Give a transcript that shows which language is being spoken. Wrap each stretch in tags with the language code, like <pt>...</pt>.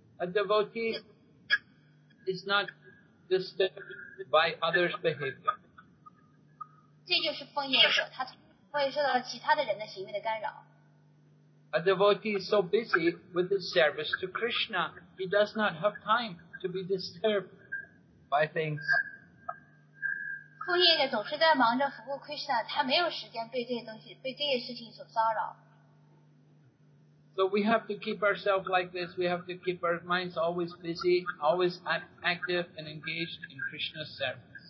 <en>A devotee is not disturbed by others' behavior.</en> <zh>这就是奉献者,他不会受到其他的人的行为的干扰。</zh> <en>A devotee is so busy with his service to Krishna, he does not have time to be disturbed by things. So we have to keep ourselves like this, we have to keep our minds always busy, always active and engaged in Krishna's service.</en>